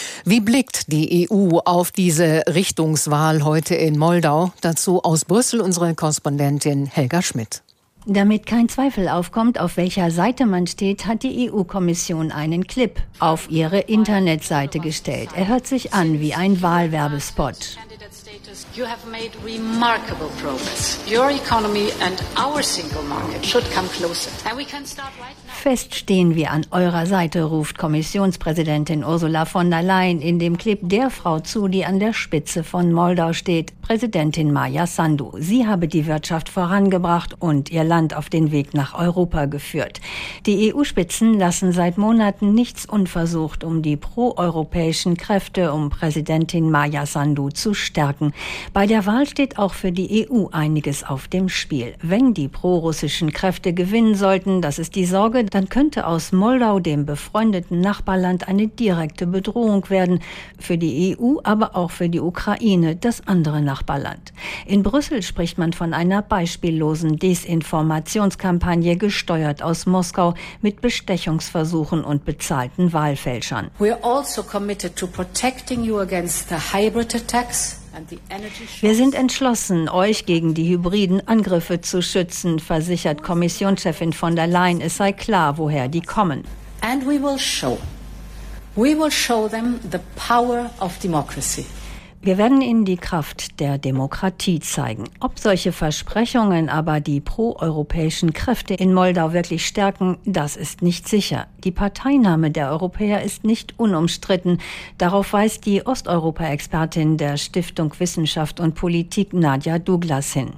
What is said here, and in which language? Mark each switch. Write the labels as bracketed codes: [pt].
[de] Wie blickt die EU auf diese Richtungswahl heute in Moldau? Dazu aus Brüssel unsere Korrespondentin Helga Schmidt. Damit kein Zweifel aufkommt, auf welcher Seite man steht, hat die EU-Kommission einen Clip auf ihre Internetseite gestellt. Er hört sich an wie ein Wahlwerbespot. [en] You have made remarkable progress. Your economy and our single market should come closer. And we can start right now. [de] Fest stehen wir an eurer Seite, ruft Kommissionspräsidentin Ursula von der Leyen in dem Clip der Frau zu, die an der Spitze von Moldau steht, Präsidentin Maya Sandu. Sie habe die Wirtschaft vorangebracht und ihr Land auf den Weg nach Europa geführt. Die EU-Spitzen lassen seit Monaten nichts unversucht, um die proeuropäischen Kräfte um Präsidentin Maya Sandu zu stärken. Bei der Wahl steht auch für die EU einiges auf dem Spiel. Wenn die prorussischen Kräfte gewinnen sollten, das ist die Sorge, dann könnte aus Moldau, dem befreundeten Nachbarland, eine direkte Bedrohung werden. Für die EU, aber auch für die Ukraine, das andere Nachbarland. In Brüssel spricht man von einer beispiellosen Desinformationskampagne, gesteuert aus Moskau, mit Bestechungsversuchen und bezahlten Wahlfälschern. [en] We're also committed to protecting you against the hybrid attacks. [de] Wir sind entschlossen, euch gegen die hybriden Angriffe zu schützen, versichert Kommissionschefin von der Leyen. Es sei klar, woher die kommen. [en] And we will show We will show them the power of democracy. [de] Wir werden ihnen die Kraft der Demokratie zeigen. Ob solche Versprechungen aber die proeuropäischen Kräfte in Moldau wirklich stärken, das ist nicht sicher. Die Parteinahme der Europäer ist nicht unumstritten. Darauf weist die Osteuropa-Expertin der Stiftung Wissenschaft und Politik Nadja Douglas hin.